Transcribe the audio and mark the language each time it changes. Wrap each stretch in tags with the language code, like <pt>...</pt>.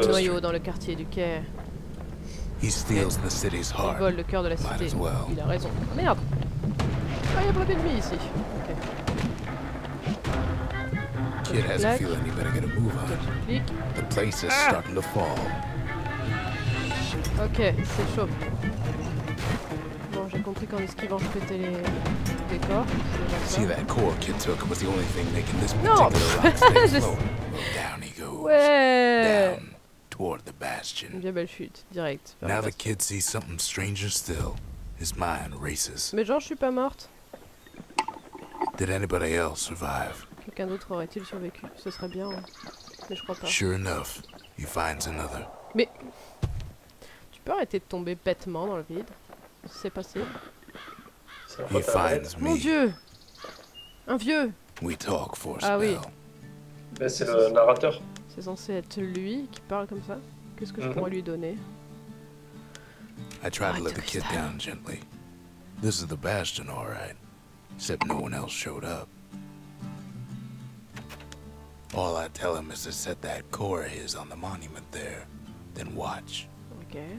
<fr>le noyau dans le quartier du quai.</fr> <en>He steals the city's heart.</en> <fr>Il vole le cœur de la cité. Well. Il a raison. Merde. Ah, y a plein d'ennemis ici. Ok.</fr> <en>Kid has a feeling he better get a move on. The place is starting to fall.</en> <fr>Ok, c'est chaud. Bon, j'ai compris qu'en esquivant, je pétais les décors.</fr> <en>See that core kid took was the only thing making this particular rock stay slow. Down he goes. Ouais. Down toward the bastion.</en> <fr>Bien belle chute, direct.</fr> <en>Now the kid sees something stranger still. His mind races.</en> <fr>Mais genre, je suis pas morte.</fr> <en>Did anybody else survive?</en> <fr>Quelqu'un d'autre aurait-il survécu? Ce serait bien, hein. Mais je crois pas.</fr> <en>Sure enough, he finds another.</en> <fr>Mais tu peux arrêter de tomber bêtement dans le vide? C'est passé.</fr> <en>He finds me.</en> <fr>Mon Dieu, un vieux.</fr> <en>We talk for a spell.</en> <fr>Ah oui. Mais c'est le narrateur. C'est censé être lui qui parle comme ça. Qu'est-ce que je pourrais lui donner?</fr> <en>I try to let the kid down gently. This is the bastion, all right. Except no one else showed up. All I tell him is to set that core of his on the monument there. Then watch. Ok.</en>